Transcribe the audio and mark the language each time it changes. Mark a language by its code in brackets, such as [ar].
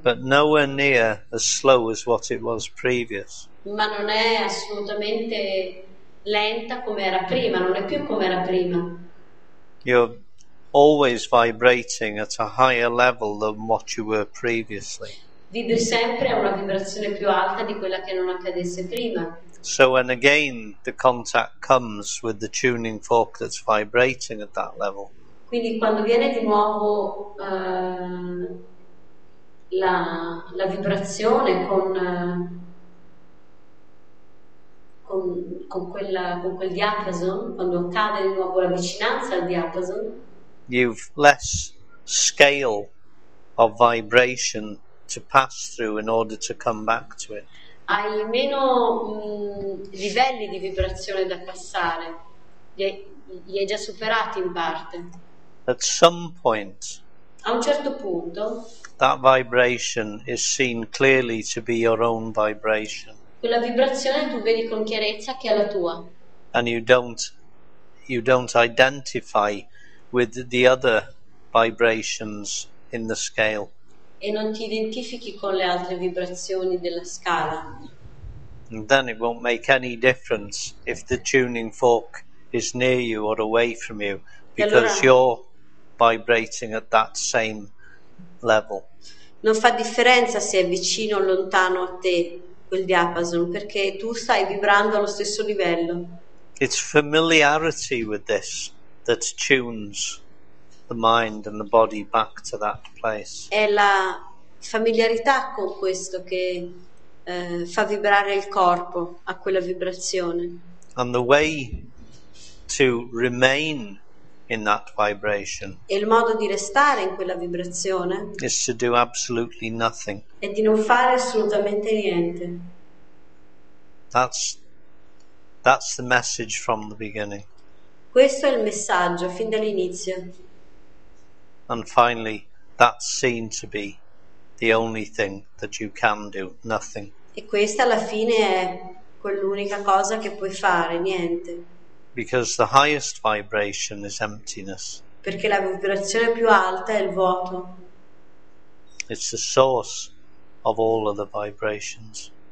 [en] but nowhere near as slow as what it was previous. [it] Ma non è assolutamente lenta come era prima, non è più come era prima. [en] You're always vibrating at a higher level than what you were previously. [it] Vibri sempre a una vibrazione più alta di quella che non accadesse prima. [en] So when again the contact comes with the tuning fork that's vibrating at that level, [it] quindi quando viene di nuovo la vibrazione con quel diapason, quando accade di nuovo la vicinanza al diapason, [en] you've less scale of vibration to pass through in order to come back to it. [it] Hai meno livelli di vibrazione da passare, li hai già superati in parte. [en] At some point, [it] a un certo punto, [en] that vibration is seen clearly to be your own vibration. [it] Quella vibrazione tu vedi con chiarezza che è la tua. [en] And you don't identify with the other vibrations in the scale. [it] E non ti identifichi con le altre vibrazioni della scala. [en] And then it won't make any difference if the tuning fork is near you or away from you, because you're vibrating at that same level. [it] Non fa differenza se è vicino o lontano a te quel diapason, perché tu stai vibrando allo stesso livello. [en] It's familiarity with this that tunes the mind and the body back to that place. [it] È la familiarità con questo che fa vibrare il corpo a quella vibrazione. [en] And the way to remain in that vibration, [it] e il modo di restare in quella vibrazione, [en] is to do absolutely nothing. [it] È di non fare assolutamente niente. [en] That's the message from the beginning. [it] Questo è il messaggio fin dall'inizio. [en] And finally, that's seen to be the only thing that you can do, nothing. [it] E questa alla fine è quell'unica cosa che puoi fare, niente. [en] Because the highest vibration is emptiness. [it] Perché la vibrazione più alta è il vuoto. [en] It's the source of all other vibrations.